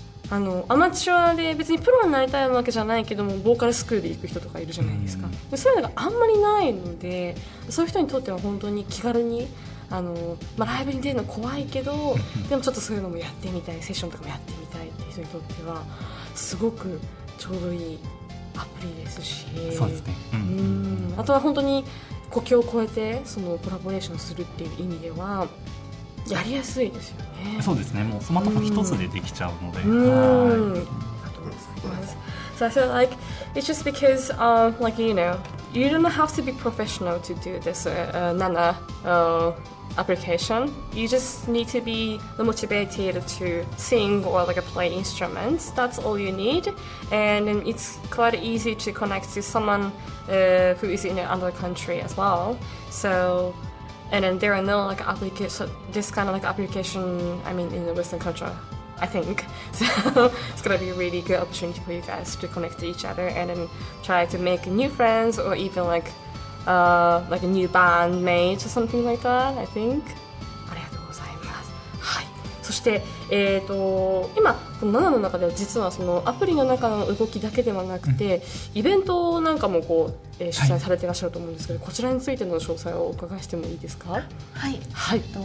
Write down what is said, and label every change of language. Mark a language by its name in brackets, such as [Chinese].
[Japanese] アマチュアで別にプロになりたいわけじゃないけどもボーカルスクールで行く人とかいるじゃないですか、うん、でそういうのがあんまりないので、そういう人にとっては本当に気軽にまあ、ライブに出るの怖いけどでもちょっとそういうのもやってみたい、セッションとかもやってみたいって人にとってはすごくちょうどいいアプリですし、そうですね、あとは本当に国境を越えてそのコラボレーションするっていう意味ではやりやすいですよね。そうですね、もうスマートフォン一つでできちゃうので、ありがとうございます。 [English] So I feel like it's just because like you know you don't have to be professional to do this Nana application. You just need to be motivated to sing or like play instruments. That's all you need, and it's quite easy to connect to someone who is in another country as well. So and then there are no like application, this kind of like application, I mean, in the Western culture, I think. So it's gonna be a really good opportunity for you guys to connect to each other and then try to make new friends or even like a new band mate or something like that, I think. [Japanese] ありがとうございます。はい。そして、今、この7の中では実はそのアプリの中の動きだけではなくて、イベントなんかもこう、主催されていらっしゃると思うんですけど、はい、こちらについての詳細をお伺いしてもいいですか。はい、はい、